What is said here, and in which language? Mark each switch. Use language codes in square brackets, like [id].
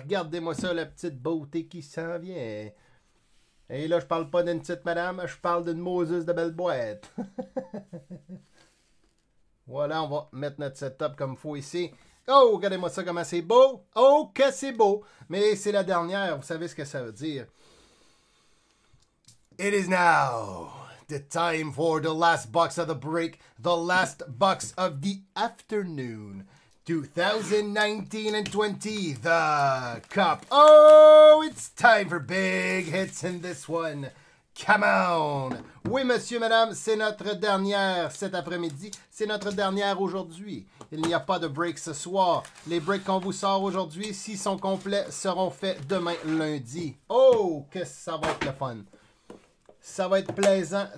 [fr] Regardez-moi ça, la petite beauté qui s'en vient. Et là, je parle pas d'une petite madame, je parle d'une Moses de belle boîte. Voilà, on va mettre notre setup comme il faut ici. Oh, regardez-moi ça, comment c'est beau. Oh, que c'est beau. Mais c'est la dernière, vous savez ce que ça veut dire. [en] It is now. The time for the last box of the break, the last box of the afternoon, 2019 and 20, the cup. Oh, it's time for big hits in this one. Come on. [fr] Oui, monsieur, madame, c'est notre dernière cet après-midi. C'est notre dernière aujourd'hui. Il n'y a pas de break ce soir. Les breaks qu'on vous sort aujourd'hui, s'ils sont complets, seront faits demain lundi. Oh, que ça va être le fun. Ça va être plaisant.